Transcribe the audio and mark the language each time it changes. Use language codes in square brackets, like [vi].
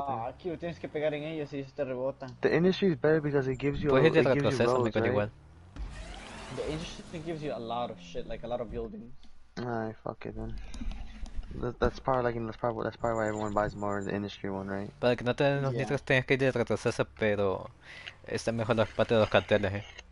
[es] Ah, aquí tienes que pegar en ellos y te rebotan. [en] The industry is better because it gives you a lot of shit. The industry gives you a lot of shit, like a lot of buildings. Alright, fuck it then. That's probably like, that's probably why everyone buys more the industry one, right? [es] Para que no te den los nitros, tienes que ir de retroceso, pero. Está mejor la parte de los carteles, eh.